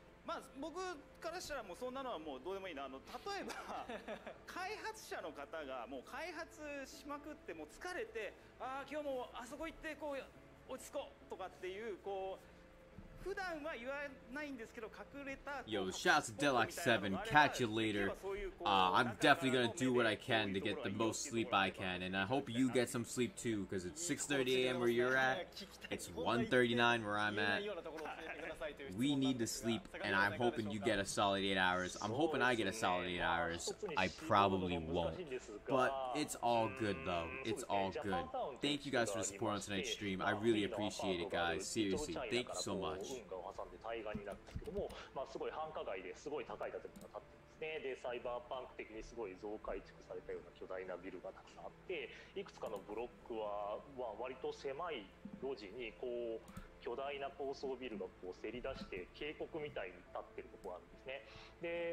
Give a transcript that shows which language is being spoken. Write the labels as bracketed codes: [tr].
[ja] まあ僕からしたらもうそんなのはもうどうでもいいな。あの例えば開発者の方がもう開発しまくってもう疲れて、あ今日もあそこ行ってこう落ち着こうとかっていう、こう普段は言わないんですけど隠れた。 [en] Yo, shout out to Deluxe 7. Catch you later. I'm definitely gonna do what I can to get the most sleep I can, and I hope you get some sleep too, because it's 6:30 a.m. where you're at. It's 1:39 where I'm at. We need to sleep, and I'm hoping you get a solid 8 hours. I'm hoping I get a solid 8 hours. I probably won't, but it's all good though. It's all good. Thank you guys for the support on tonight's stream. I really appreciate it, guys. Seriously, thank you so much. [ja] 運河を挟んで対岸になったけども、まあ、すごい繁華街ですごい高い建物が建ってますね。でサイバーパンク的にすごい増改築されたような巨大なビルがたくさんあって、いくつかのブロックは、まあ、割と狭い路地にこう巨大な高層ビルがこうせり出して渓谷みたいに建ってるところがあるんですね。